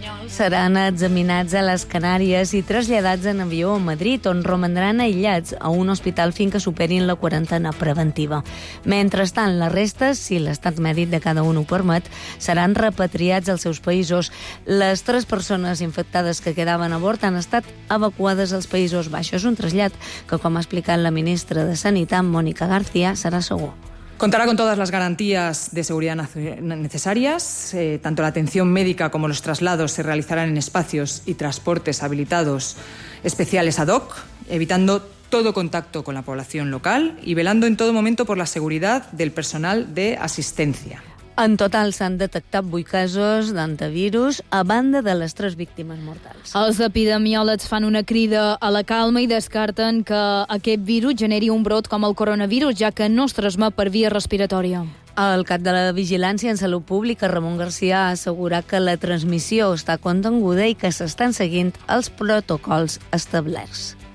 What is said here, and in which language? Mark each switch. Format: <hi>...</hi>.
<ca>Seran examinats a les Canàries i traslladats en avió a Madrid, on romandran aïllats a un hospital fins que superin la quarantena preventiva. Mentrestant, les restes, si l'estat mèdic de cada un ho permet, seran repatriats als seus països. Les tres persones infectades que quedaven a bord han estat evacuades als Països Baixos. Un trasllat que, com ha explicat la ministra de Sanitat, Mònica García, serà segur.</ca> <es>Contará con todas las garantías de seguridad necesarias. Tanto la atención médica como los traslados se realizarán en espacios y transportes habilitados especiales ad hoc, evitando todo contacto con la población local y velando en todo momento por la seguridad del personal de asistencia.</es> <ca>En total s'han detectat 8 casos d'antivirus a banda de les 3 víctimes mortals. Els epidemiòlegs fan una crida a la calma i descarten que aquest virus generi un brot com el coronavirus, ja que no es transmet per via respiratòria. El cap de la Vigilància en Salut Pública, Ramon García, ha assegurat que la transmissió està continguda i que s'estan seguint els protocols establerts.</ca>